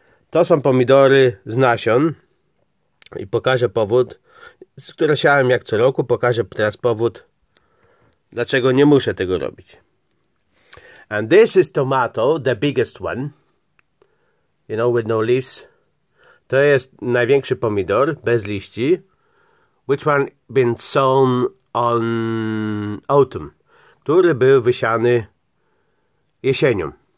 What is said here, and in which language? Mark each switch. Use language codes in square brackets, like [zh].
[pl] To są pomidory z nasion i pokażę powód, z którego siałem jak co roku, pokażę teraz powód, dlaczego nie muszę tego robić. [en] And this is tomato, the biggest one, you know, with no leaves. [pl] To jest największy pomidor, bez liści. [en] Which one been sown on autumn? [pl] Który był wysiany jesienią.